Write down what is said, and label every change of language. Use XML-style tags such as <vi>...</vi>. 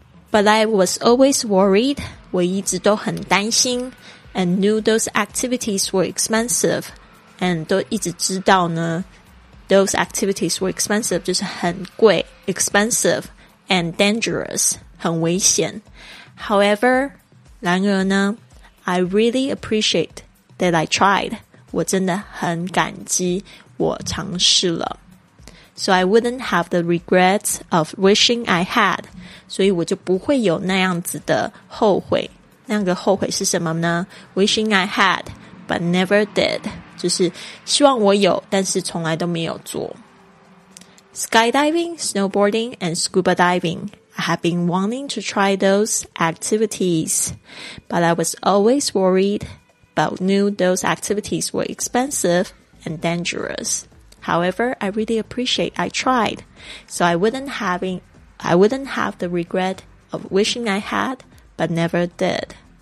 <en>But I was always worried,</en> <zh>我一直都很担心</zh> <en>and knew those activities were expensive, and</en> <zh>都一直知道呢</zh> <en>those activities were expensive,</en> <zh>就是很贵</zh> <en>expensive and dangerous,</en> <zh>很危险。</zh> <en>However,</en> <zh>然而呢</zh> <en>I really appreciate that I tried,</en> <zh>我真的很感激我尝试了。</zh> <en>So I wouldn't have the regret of wishing I had.</en> <zh>所以我就不会有那样子的后悔。那个后悔是什么呢？</zh> <en>Wishing I had, but never did.</en> <zh>就是希望我有，但是从来都没有做。</zh> <en>Skydiving, snowboarding, and scuba diving. I have been wanting to try those activities. But I was always worried, but knew those activities were expensive and dangerous. However, I really appreciate I tried, so I wouldn't have the regret of wishing I had, but never did.</en>